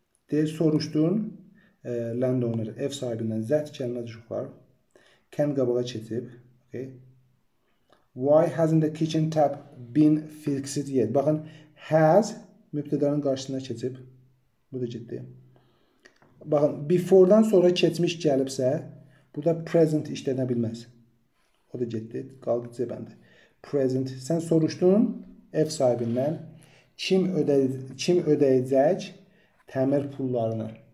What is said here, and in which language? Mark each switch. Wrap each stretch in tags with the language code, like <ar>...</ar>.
<az>De soruşdun landowner, ev sahibindən zət kəlməz uşaqlar. Can qabağa keçib. Okay.</az> <en>Why hasn't the kitchen tap been fixed yet?</en> <az>Baxın, has mübtədanın qarşısına keçib. Bu da getdi. Baxın, before-dan sonra keçmiş gəlibsə, burada present işlənə bilməz. O da getdi. Qaldı C bəndə. Present. Sən soruşdun ev sahibindən. Kim ödəyəcək təmir pullarını?</az>